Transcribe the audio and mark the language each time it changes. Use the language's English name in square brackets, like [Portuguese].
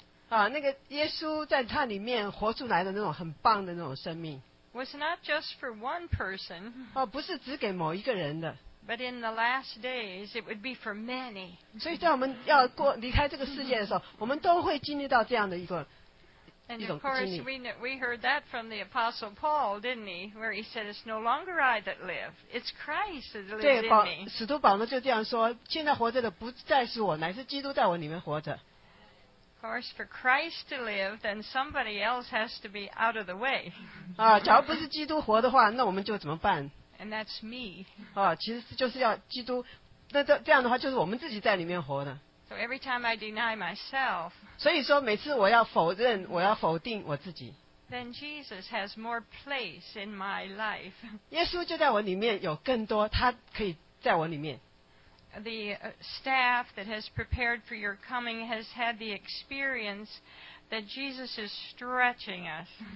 [Chinese] 那个耶稣在他里面活出来的那种很棒的那种生命 [English] was not just for one person [Chinese] 不是只给某一个人的 [English] but in the last days it would be for many [Chinese] 所以在我们要离开这个世界的时候 我们都会经历到这样的一种经历 [English] and of course we heard that from the Apostle Paul, didn't he? Where he said it's no longer I that live it's Christ that lives in me [Chinese] 使徒保罗就这样说 现在活着的不再是我 乃是基督在我里面活着 [English] Of course, for Christ to live, then somebody else has to be out of the way. [Chinese] 假如不是基督活的话，那我们就怎么办？ [English] And that's me. [Chinese] 其实就是要基督，那这样的话就是我们自己在里面活的。 [English] So every time I deny myself. [Chinese] 所以说每次我要否认，我要否定我自己。 [English] Then Jesus has more place in my life. [Chinese] 耶稣就在我里面有更多，他可以在我里面。 [English] The staff that has prepared for your coming has had the experience that Jesus is stretching us.